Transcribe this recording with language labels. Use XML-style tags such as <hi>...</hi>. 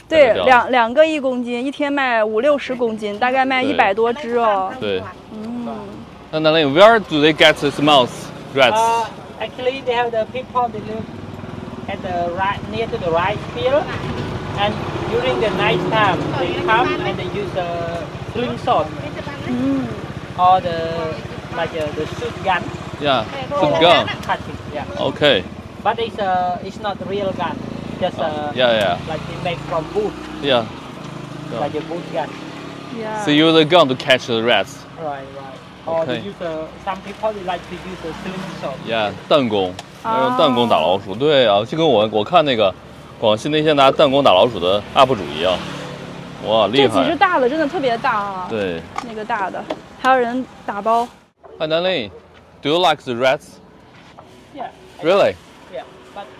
<zh>对，两个一公斤，一天卖50-60公斤，大概卖100多只哦。对。嗯。那里</zh> <en>where do they get these mouse rats? Actually, they have the people that live at the right near to the rice field. And during the night time, they come and they use a slingshot or the like the shoot gun. Yeah, shoot gun. Cutting, yeah. Okay. But it's not real gun. Just like they make from wood. Yeah. So. Like a wood gun. Yeah. So you use a gun to catch the rats. Right, right. Or okay. They use some people like to use a slingshot.</en> <zh>Yeah, 弹弓，要用弹弓打老鼠。对啊，就跟我看那个。广西那些拿弹弓打老鼠的 UP 主一样，哇，厉害！这几只大的真的特别大啊。对，那个大的，还有人打包。</zh> <en>Hi, Nelly, do you like the rats? Yeah. Really? Yeah. But</en>